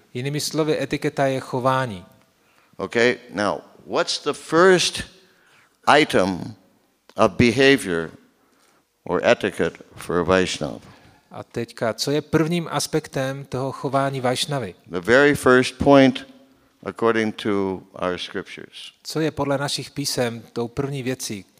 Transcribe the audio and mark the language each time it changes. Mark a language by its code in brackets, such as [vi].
[cs] Jinými slovy, etiketa je chování. [en] Okay, now, what's the first item of behavior or etiquette for a Vaishnava? [cs] A teďka, co je prvním aspektem toho chování Vaishnavy? [en] The very first point according to our scriptures. [cs] Co je podle našich písem tou první věcí,